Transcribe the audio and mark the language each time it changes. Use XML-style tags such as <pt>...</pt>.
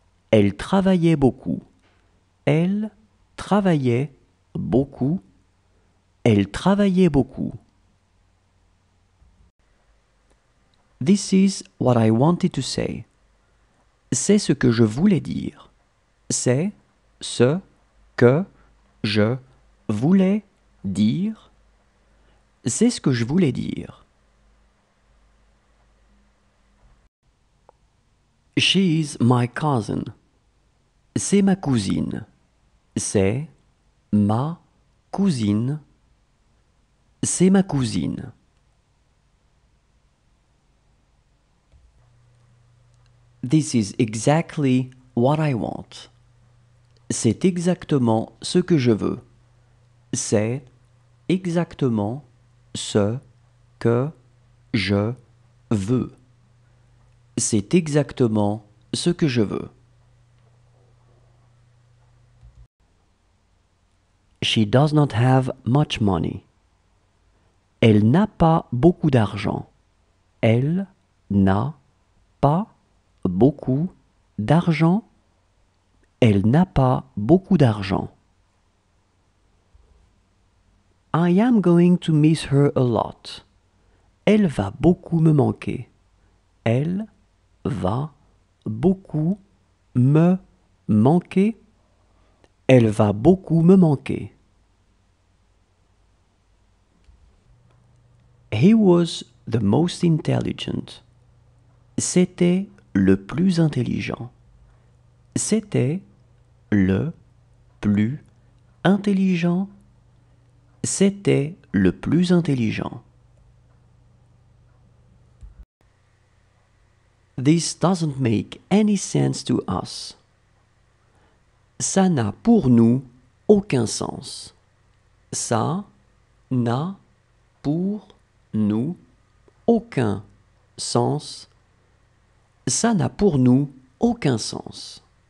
<fr>Elle travaillait beaucoup. Elle travaillait beaucoup. Elle travaillait beaucoup.</fr> <en>This is what I wanted to say.</en> <fr>C'est ce que je voulais dire. C'est ce que je voulais dire. C'est ce que je voulais dire.</fr> <en>She is my cousin.</en> <fr>C'est ma cousine. C'est ma cousine. C'est ma cousine.</fr> <en>This is exactly what I want.</en> <fr>C'est exactement ce que je veux. C'est exactement ce que je veux. C'est exactement ce que je veux.</fr> <en>She does not have much money.</en> <fr>Elle n'a pas beaucoup d'argent. Elle n'a pas beaucoup d'argent. Elle n'a pas beaucoup d'argent.</fr> <en>I am going to miss her a lot.</en> <fr>Elle va beaucoup me manquer. Elle va beaucoup me manquer. Elle va beaucoup me manquer.</fr> <en>He was the most intelligent.</en> <fr>C'était le plus intelligent. C'était le plus intelligent. C'était le plus intelligent.</fr> <en>This doesn't make any sense to us.</en> <fr>Ça n'a pour nous aucun sens. Ça n'a pour nous aucun sens. Ça n'a pour nous aucun sens.</fr>